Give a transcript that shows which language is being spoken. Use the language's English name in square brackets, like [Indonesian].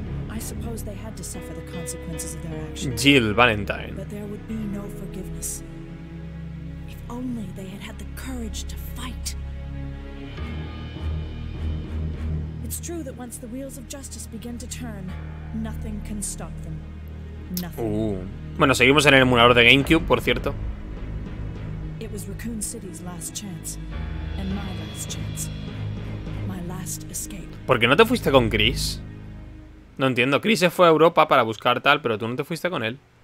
[English] I suppose they had to suffer the consequences of their actions. Jill Valentine. But there would be no forgiveness. If only they had had the courage to fight. It's true that once the wheels of justice begin to turn, nothing can stop them. Nothing. [Spanish] Bueno, seguimos en el emulador de GameCube, por cierto. [English] It was Raccoon City's last chance, and my last chance. My last escape. [Spanish] ¿Por qué no te fuiste con Chris? No entiendo. Chris se fue a Europa para buscar tal, pero tú no te fuiste con él.